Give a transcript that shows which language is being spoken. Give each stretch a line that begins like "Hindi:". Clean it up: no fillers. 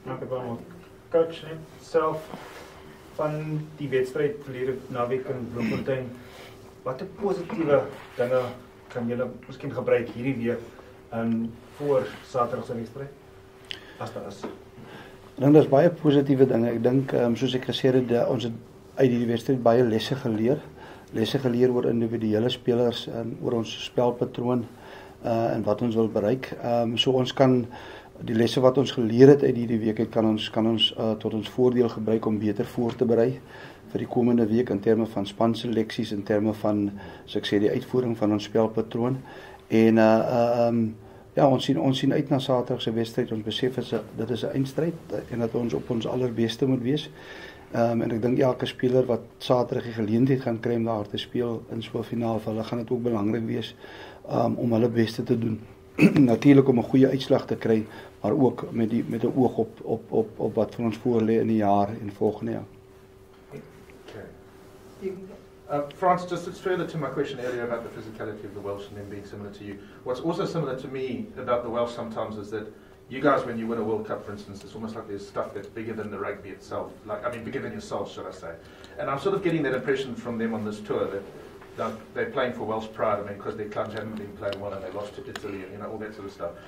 Afrikaans: Coach, self, van die wedstrijd verlede naweek in Bloemfontein, wat die positieve dinge kan julle miskien gebruik hierdie week voor Saterdagse wedstrijd, as dit is? Ek dink daar is baie positieve dinge. Ek dink, soos ek gesê het, ons het uit die wedstrijd baie lesse geleer oor individuele spelers, oor ons spelpatroon, en wat ons wil bereik. So ons kan die lesse wat ons geleer het uit hierdie week, kan ons tot ons voordeel gebruik om beter voor te berei vir die komende week in terme van spanseleksies, in terme van, as ek sê, die uitvoering van ons spelpatroon. En ons sien uit na Saterdag se wedstryd. Ons besef dit is 'n eindstryd en dat ons op ons allerbeste moet wees. En ek dink elke speler wat Saterdag die geleentheid gaan kry om daar te speel in so 'n finaal, hulle gaan dit ook belangrik wees om hulle beste te doen. Natuurlik om 'n goeie uitslag te kry, maar ook met 'n oog op wat vir ons voorlê in die jaar en volgende jaar.
English: Frans, just it's further to my question earlier about the physicality of the Welsh and them being similar to you. What's also similar to me about the Welsh sometimes is that you guys, when you win a World Cup, for instance, it's almost like there's stuff that's bigger than the rugby itself. Like, I mean, bigger than yourself, should I say. And I'm sort of getting that impression from them on this tour that they're playing for Welsh pride, I mean, because their clubs haven't been playing well and they lost to Italy and, you know, all that sort of stuff.